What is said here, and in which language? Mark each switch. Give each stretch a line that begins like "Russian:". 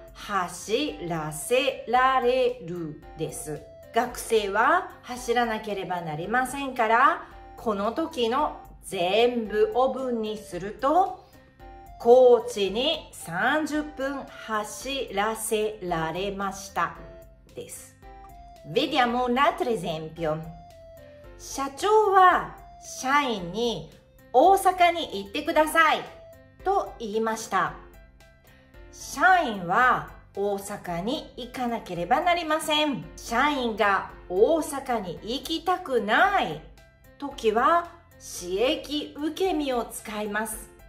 Japanese: 走らせられるです。学生は走らなければなりませんから、この時の全部を文にすると、コーチに30分走らせられましたです。
Italian: Vediamo un altro esempio。
Japanese: 社長は社員に大阪に行ってくださいと言いました。社員は大阪に行かなければなりません。社員が大阪に行きたくない時は、私益受け身を使います。